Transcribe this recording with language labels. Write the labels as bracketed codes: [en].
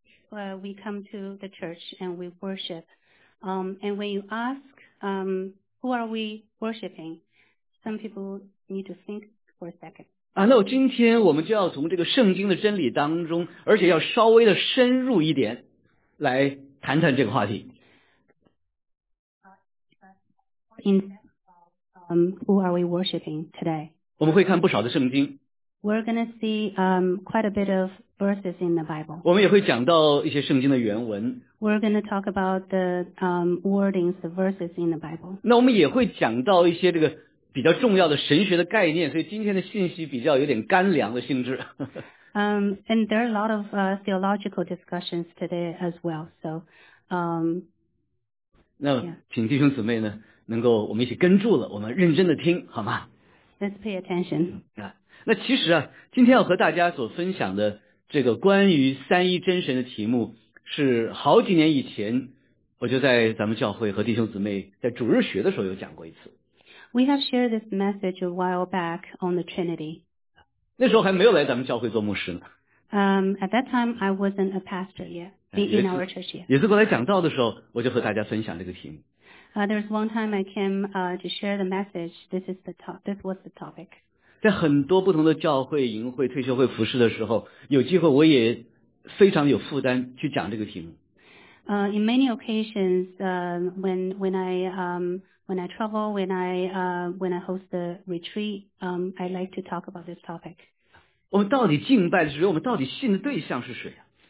[en] Well, we come to the church and we worship. And when you ask, who are we worshiping? Some people need to think for a second. [zh] 啊，那今天我们就要从这个圣经的真理当中，而且要稍微的深入一点来谈谈这个话题。 [en] Who are we worshiping today? [zh] 我们会看不少的圣经。 [en] We're going to see quite a bit of verses in the Bible. [zh] 我们也会讲到一些圣经的原文。 [en] We're going to talk about the wordings, the verses in the Bible. [zh] 那我们也会讲到一些这个比较重要的神学的概念，所以今天的信息比较有点干粮的性质。 [en] And there are a lot of theological discussions today as well. So, [zh] 那请弟兄姊妹呢，能够我们一起跟住了，我们认真的听，好吗？ [en] Let's pay attention. [zh] 那其实啊，今天要和大家所分享的这个关于三一真神的题目，是好几年以前我就在咱们教会和弟兄姊妹在主日学的时候有讲过一次。 [en] We have shared this message a while back on the Trinity. [zh] 那时候还没有来咱们教会做牧师呢。 [en] At that time I wasn't a pastor yet in our church yet. [zh] 也是过来讲道的时候，我就和大家分享这个题目。 [en] There's one time I came to share the message. This was the topic. [zh] 在很多不同的教会、营会、退休会服事的时候，有机会我也非常有负担去讲这个题目。 [en] In many occasions, when I travel, when I host the retreat, I like to talk about this topic. [zh] 我们到底敬拜的是谁？我们到底信的对象是谁啊？